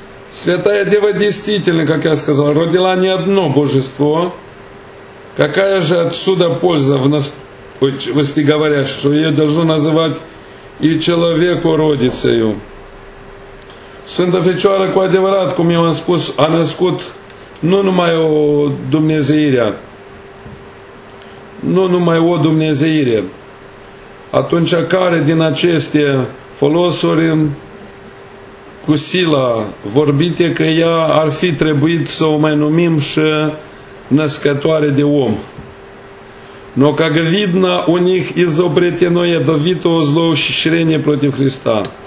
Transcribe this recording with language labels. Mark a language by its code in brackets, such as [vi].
[ru] Святая Дева действительно, как я сказал, родила не одно божество. Какая же отсюда польза, если говорят, что ее должно называть и человекородицею? [ro] Sfânta Fecioară, cu adevărat, cum eu am spus, a născut nu numai o dumnezeire, nu numai o dumnezeire. Atunci care din aceste folosuri cu sila vorbite că ea ar fi trebuit să o mai numim și născătoare de om? [ru] Но как видно, у них изобретено ядовитое злоущрение против Христа.